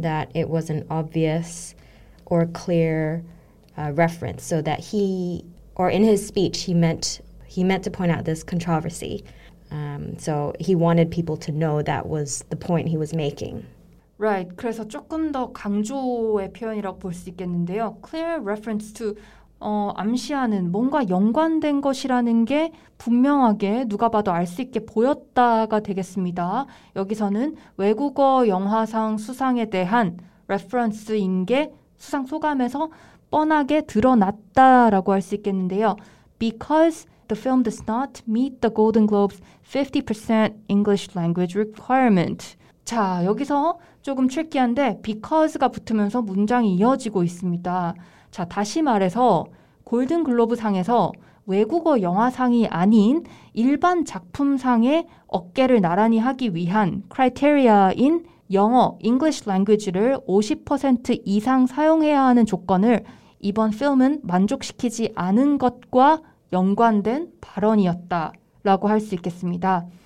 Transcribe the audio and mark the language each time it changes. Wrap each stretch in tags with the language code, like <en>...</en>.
<en>that it was an obvious or clear reference, so that he, or in his speech, he meant to point out this controversy. So he wanted people to know that was the point he was making. Right.</en> <ko>그래서 조금 더 강조의 표현이라고 볼 수 있겠는데요.</ko> <en>Clear reference to</en> <ko>암시하는 뭔가 연관된 것이라는 게 분명하게 누가 봐도 알 수 있게 보였다가 되겠습니다. 여기서는 외국어 영화상 수상에 대한 reference인 게 수상 소감에서 뻔하게 드러났다라고 할 수 있겠는데요.</ko> <en>Because the film does not meet the Golden Globe's 50% English language requirement.</en> <ko>자, 여기서 조금 트리키한데 because가 붙으면서 문장이 이어지고 있습니다. 자, 다시 말해서 골든글로브상에서 외국어 영화상이 아닌 일반 작품상의 어깨를 나란히 하기 위한 criteria인 영어, English language를 50% 이상 사용해야 하는 조건을 이번 film은 만족시키지 않은 것과 연관된 발언이었다라고 할 수 있겠습니다.</ko>